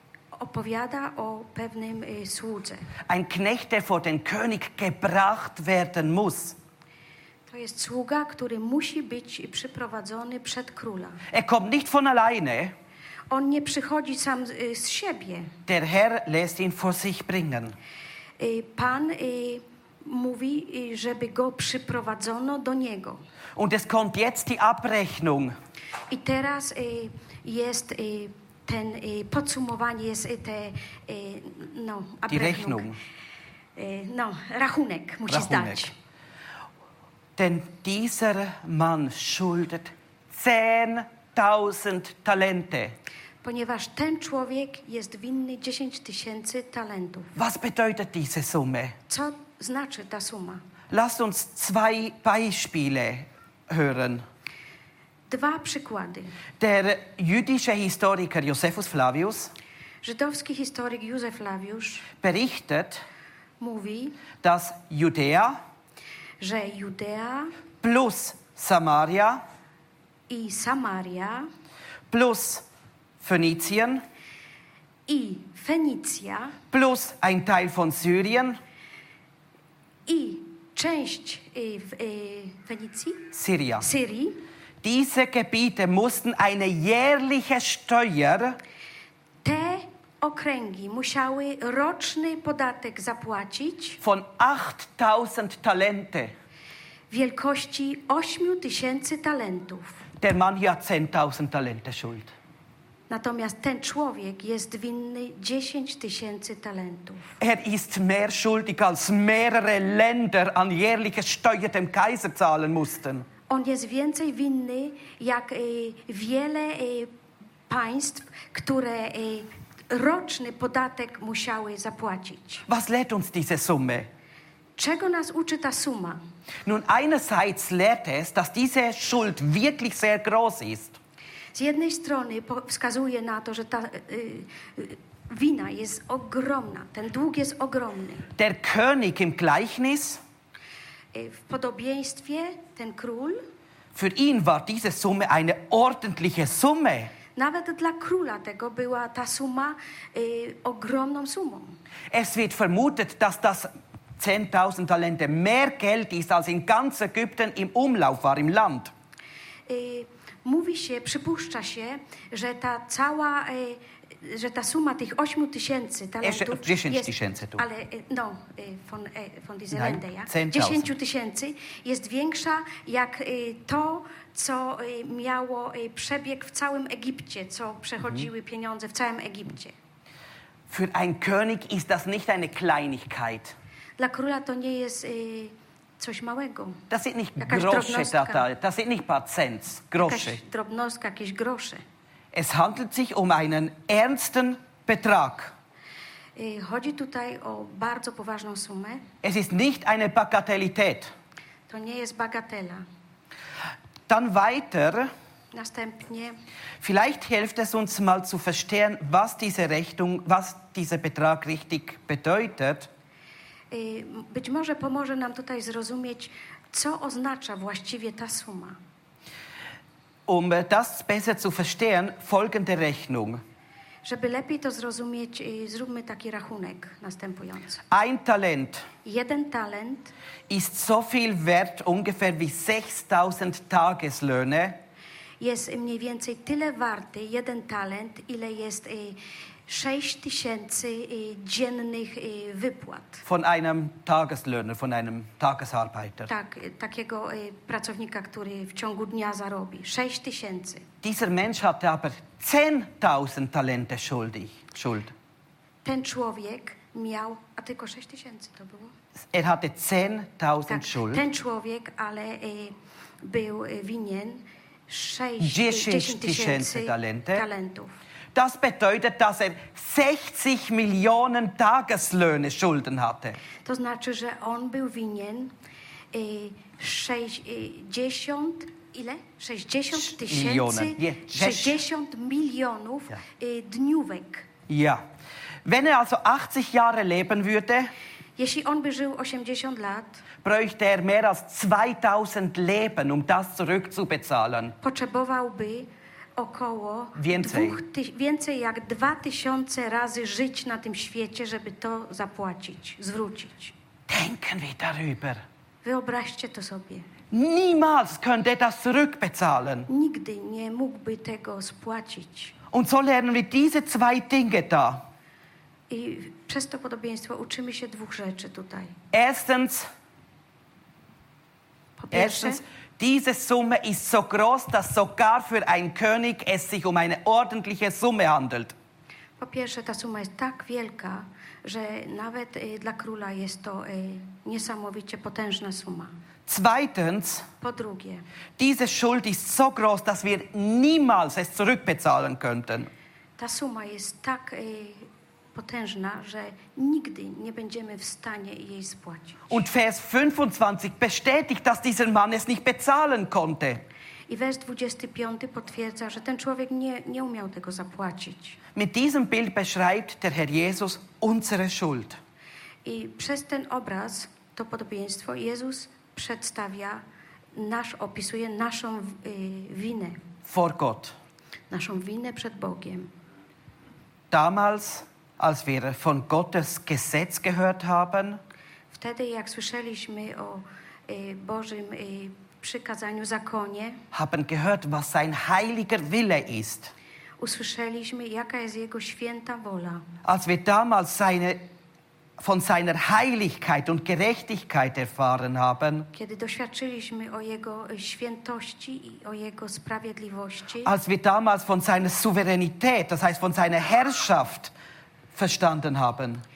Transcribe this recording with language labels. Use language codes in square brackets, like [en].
[pl] Opowiada o pewnym słudze. [de] Ein Knecht, der vor den König gebracht werden muss. [pl] To jest sługa, który musi być przyprowadzony przed króla. [de] Er kommt nicht von alleine. [pl] On nie przychodzi sam z siebie. [de] Der Herr lässt ihn vor sich bringen. [pl] Pan mówi, żeby go przyprowadzono do niego. [de] Und es kommt jetzt die Abrechnung. [pl] I teraz jest ten podsumowanie, jest te no, [de] Rechnung. [pl] No, rachunek musi zdać. [de] Denn dieser Mann schuldet [pl] 10,000 talenty. Ponieważ ten człowiek jest winny 10 tysięcy talentów. [de] Was bedeutet diese Summe? [pl] Co znaczy ta suma? [de] Lasst uns zwei Beispiele hören. [pl] Dwa przykłady. [de] Der jüdische Historiker Josephus Flavius, [pl] żydowski historyk Józef Flawiusz, [de] berichtet, [pl] mówi, [de] dass Judea, [pl] że Judea [de] plus Samaria [pl] i Samaria [de] plus Phönizien [pl] i Fenicja [de] plus ein Teil von Syrien [pl] i część Fenicji, Syria. Syrii. [de] Diese Gebiete mussten eine jährliche Steuer, [pl] te okręgi musiały roczny podatek zapłacić, [de] von 8000 Talente, [pl] wielkości 8000 talentów. [de] Der Mann hier hat 10.000 Talente Schuld. [pl] Natomiast ten człowiek jest winny 10.000 talentów. [de] Er ist mehr schuldig als mehrere Länder an jährliche Steuer dem Kaiser zahlen mussten. [pl] On jest więcej winny jak wiele państw, które roczny podatek musiały zapłacić. [de] Was lehrt uns diese Summe? [pl] Czego nas uczy ta suma? [de] Nun einerseits lehrt es, dass diese Schuld wirklich sehr groß ist. [pl] Z jednej strony wskazuje na to, że ta wina jest ogromna, ten dług jest ogromny. [de] Der König im Gleichnis, [pl] w podobieństwie ten król, [de] für ihn war diese Summe eine ordentliche Summe. [pl] Nawet dla króla tego była ta suma ogromną sumą. [de] Es wird vermutet, dass das 10.000 Talente mehr Geld ist als in ganz Ägypten im Umlauf war im Land. [pl] Mówi się, przypuszcza się, że ta cała że ta suma tych 8000 talentów jest, ale no [de] von diese Lände, [pl] ja, 10000 jest większa jak to, co miało przebieg w całym Egipcie, co przechodziły pieniądze w całym Egipcie. [de] Für ein König ist das nicht eine Kleinigkeit. [pl] Dla króla to nie jest coś małego. [de] Das sind nicht Grosze, das sind nicht paar Cent, Grosze. [pl] Jakaś drobnostka, jakieś grosze. [de] Es handelt sich um einen ernsten Betrag. [pl] Chodzi tutaj o bardzo poważną sumę. [de] Es ist nicht eine Bagatellität. [pl] To nie jest bagatela. [de] Dann weiter. [pl] Następnie. [de] Vielleicht hilft es uns mal zu verstehen, was diese Rechnung, was dieser Betrag richtig bedeutet. [pl] Być może pomoże nam tutaj zrozumieć, co oznacza właściwie ta suma. [de] Um das besser zu verstehen, folgende Rechnung. [pl] Żeby lepiej to zrozumieć, zróbmy taki rachunek następujący. [de] Ein Talent. [pl] Jeden talent [de] ist so viel wert ungefähr wie 6000 Tageslöhne. [pl] Jest mniej więcej tyle warty jeden talent, ile jest 6000 dziennych wypłat. [de] Von einem Tageslöhner, von einem Tagesarbeiter. [pl] Tak, takiego pracownika, który w ciągu dnia zarobi. 6000. [de] Dieser Mensch hatte aber 10.000 Talente Schuld. [pl] Ten człowiek miał, a tylko 6000 to było? [de] Er hatte 10.000 Schuld. [pl] Ten człowiek, ale był winien 10.000 talentów. [de] Das bedeutet, dass er 60 Millionen Tageslöhne Schulden hatte. [pl] To znaczy, że on był winien 60 ile? 60 tysięcy, 60 milionów dniówek. [de] Ja. Wenn er also 80 Jahre leben würde, [pl] jeśli on by żył 80 lat, [de] bräuchte er mehr als 2000 Leben, um das zurückzubezahlen. [pl] Potrzebowałby około więcej jak 2000 razy żyć na tym świecie, żeby to zapłacić, zwrócić. [de] Denken wir darüber. [pl] Wyobraźcie to sobie. [de] Niemals könnte das zurückbezahlen. [pl] Nigdy nie mógłby tego spłacić. [de] Und so lernen wir diese zwei Dinge da. [pl] I przez to podobieństwo uczymy się dwóch rzeczy tutaj. [de] Erstens. [pl] Po pierwsze, [de] diese Summe ist so groß, dass sogar für einen König es sich um eine ordentliche Summe handelt. [pl] Po pierwsze, ta suma jest tak wielka, że nawet dla króla jest to niesamowicie potężna suma. [de] Zweitens, [pl] po drugie, [de] diese Schuld ist so groß, dass wir niemals es zurückbezahlen könnten. [pl] Ta suma jest tak potężna, że nigdy nie będziemy w stanie jej spłacić. [de] Und Vers 25 bestätigt, dass dieser Mann es nicht bezahlen konnte. [pl] I wers 25 potwierdza, że ten człowiek nie umiał tego zapłacić. [de] Mit diesem Bild beschreibt der Herr Jesus unsere Schuld. [pl] I przez ten obraz, to podobieństwo, Jezus przedstawia nasz, opisuje naszą winę. [de] Vor Gott. [pl] Naszą winę przed Bogiem. [de] Damals, als wir von Gottes Gesetz gehört haben, [pl] wtedy, jak słyszeliśmy o Bożym przykazaniu, zakonie, [de] haben gehört, was sein heiliger Wille ist. [pl] Usłyszeliśmy, jaka jest jego święta wola. [de] Als wir damals von seiner Heiligkeit und Gerechtigkeit erfahren haben, [pl] kiedy doświadczyliśmy o jego świętości i o jego sprawiedliwości, [de] als wir damals von seiner Souveränität, das heißt von seiner Herrschaft, verstanden haben,